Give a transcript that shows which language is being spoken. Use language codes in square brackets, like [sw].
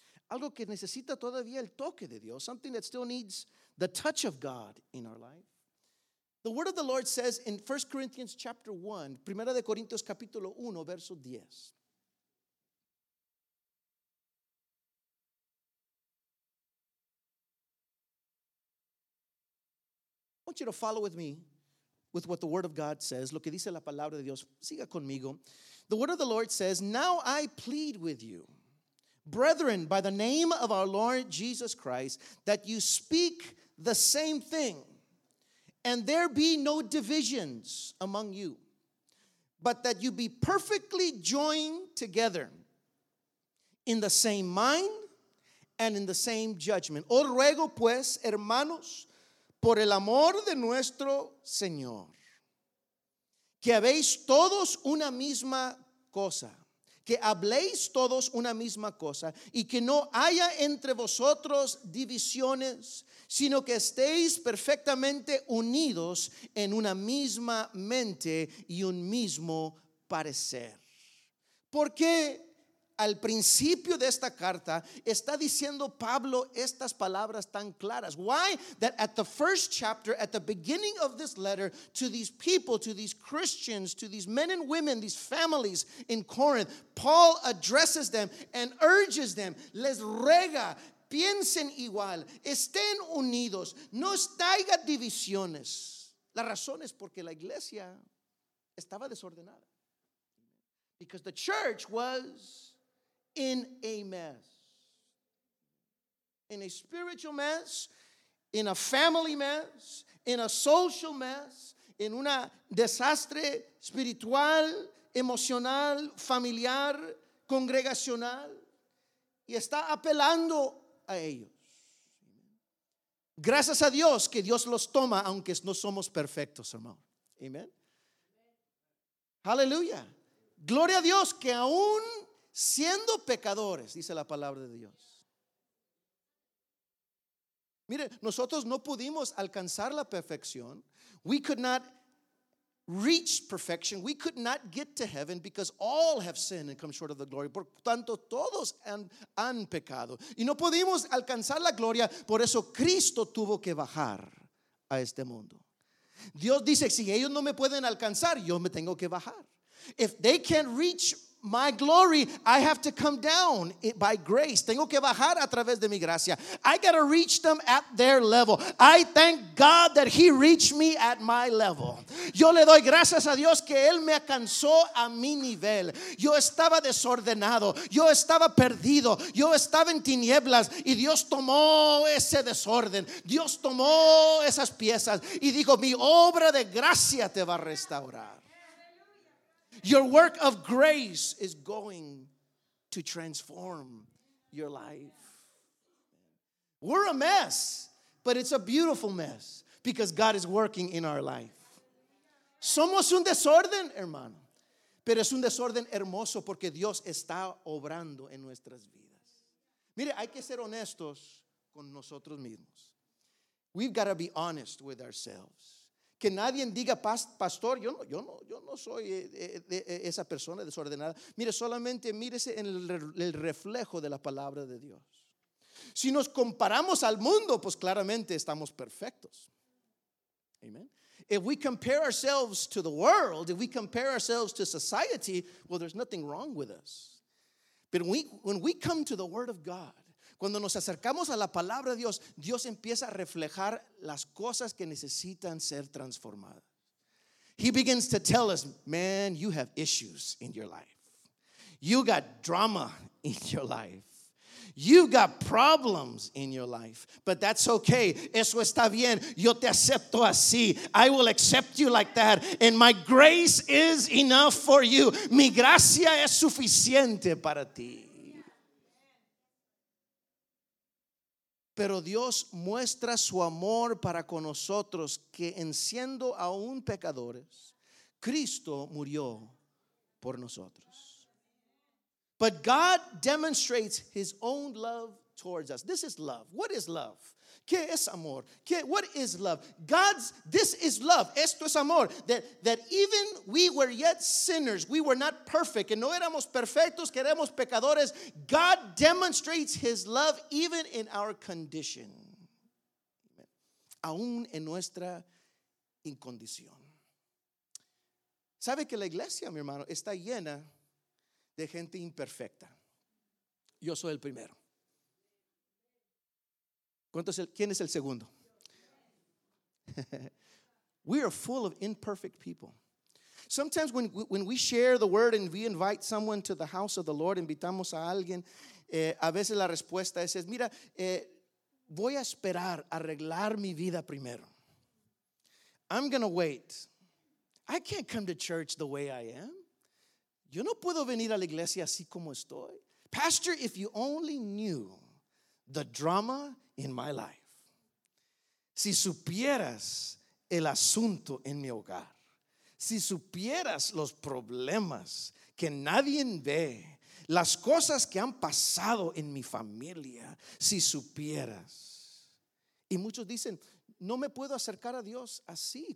[es] Algo que necesita todavía el toque de Dios. [en] Something that still needs the touch of God in our life. The word of the Lord says in 1 Corinthians chapter 1, [es] Primera de Corintios capítulo 1, verso 10. [en] want you to follow with me with what the word of God says. [es] Lo que dice la palabra de Dios. Siga conmigo. [en] The word of the Lord says, "Now I plead with you, brethren, by the name of our Lord Jesus Christ, that you speak the same thing, and there be no divisions among you, but that you be perfectly joined together in the same mind and in the same judgment. [es] Os ruego, pues, hermanos, por el amor de nuestro Señor, que habéis todos una misma cosa, que habléis todos una misma cosa, y que no haya entre vosotros divisiones, sino que estéis perfectamente unidos en una misma mente y un mismo parecer." Porque al principio de esta carta está diciendo Pablo estas palabras tan claras. [en] Why? That at the first chapter, at the beginning of this letter, to these people, to these Christians, to these men and women, these families in Corinth, Paul addresses them and urges them, [es] les ruega, piensen igual, estén unidos, no haya divisiones. La razón es porque la iglesia estaba desordenada. [en] Because the church was in a mess. In a spiritual mess, in a family mess, in a social mess, in [es] una desastre espiritual, emocional, familiar, congregacional. Y está apelando a ellos. Gracias a Dios que Dios los toma, aunque no somos perfectos, hermano. Amen. Hallelujah. Gloria a Dios que aún siendo pecadores, dice la palabra de Dios. Mire, nosotros no pudimos alcanzar la perfección. [en] We could not reach perfection. We could not get to heaven because all have sinned and come short of the glory. [es] Por tanto, todos han pecado. Y no pudimos alcanzar la gloria. Por eso Cristo tuvo que bajar a este mundo. Dios dice, si ellos no me pueden alcanzar, yo me tengo que bajar. [en] If they can't reach my glory, I have to come down by grace. [es] Tengo que bajar a través de mi gracia. [en] I gotta reach them at their level. I thank God that he reached me at my level. [es] Yo le doy gracias a Dios que él me alcanzó a mi nivel. Yo estaba desordenado. Yo estaba perdido. Yo estaba en tinieblas. Y Dios tomó ese desorden. Dios tomó esas piezas. Y dijo, mi obra de gracia te va a restaurar. [en] Your work of grace is going to transform your life. We're a mess, but it's a beautiful mess because God is working in our life. [es] Somos un desorden, hermano, pero es un desorden hermoso porque Dios está obrando en nuestras vidas. Mire, hay que ser honestos con nosotros mismos. [en] We've got to be honest with ourselves. [es] Que nadie diga, pastor, yo no soy esa persona desordenada. Mire, solamente mírese en el reflejo de la palabra de Dios. Si nos comparamos al mundo, pues claramente estamos perfectos. Amen. [en] If we compare ourselves to the world, if we compare ourselves to society, well, there's nothing wrong with us. But when we come to the word of God, [es] cuando nos acercamos a la palabra de Dios, Dios empieza a reflejar las cosas que necesitan ser transformadas. [en] He begins to tell us, man, you have issues in your life. You got drama in your life. You got problems in your life, but that's okay. [es] Eso está bien. Yo te acepto así. [en] I will accept you like that. And my grace is enough for you. [es] Mi gracia es suficiente para ti. Pero Dios muestra su amor para con nosotros que en siendo aún pecadores, Cristo murió por nosotros. [en] But God demonstrates his own love towards us. This is love. What is love? [es] ¿Qué es amor? [en] What is love? This is love. [es] Esto es amor. [en] That even we were yet sinners, we were not perfect. [es] Que no éramos perfectos, que éramos pecadores. [en] God demonstrates his love even in our condition. [es] Aún en nuestra incondición. ¿Sabe que la iglesia, mi hermano, está llena de gente imperfecta? Yo soy el primero. ¿Quién es el segundo? [en] We are full of imperfect people. Sometimes when we share the word and we invite someone to the house of the Lord, [es] invitamos a alguien, a veces la respuesta es, mira, voy a esperar arreglar mi vida primero. [en] I'm going to wait. I can't come to church the way I am. [es] Yo no puedo venir a la iglesia así como estoy. [en] Pastor, if you only knew the drama in my life. [es] Si supieras el asunto en mi hogar. Si supieras los problemas que nadie ve, las cosas que han pasado en mi familia, si supieras. Y muchos dicen, no me puedo acercar a Dios así.